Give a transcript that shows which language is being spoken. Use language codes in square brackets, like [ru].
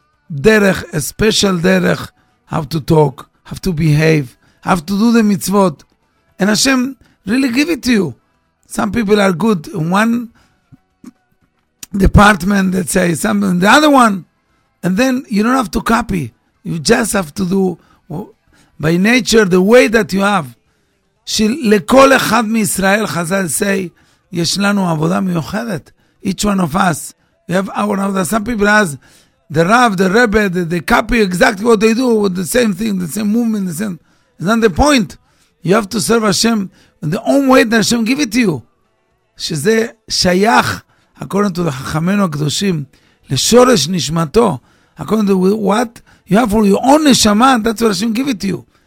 [en] דרך, a special דרך, how to talk, how to behave, how to do the mitzvot. And Hashem really give it to you. Some people are good in one department, let's say, some in the other one. And then you don't have to copy. You just have to do by nature the way that you have. [he] שלכל אחד מישראל, חזל say, יש לנו עבודה מיוחדת. [en] Each one of us. We have our עבודה. Some people ask, the Rav, the Rebbe, they copy exactly what they do, with the same thing, the same movement, the same. It's not the point. You have to serve Hashem in the own way that Hashem give it to you. [he] שזה שייך, [en] according to the [he] חכמינו הקדושים, לשורש נשמתו, [en] according to what you have for your own neshama, that's what Hashem give it to you.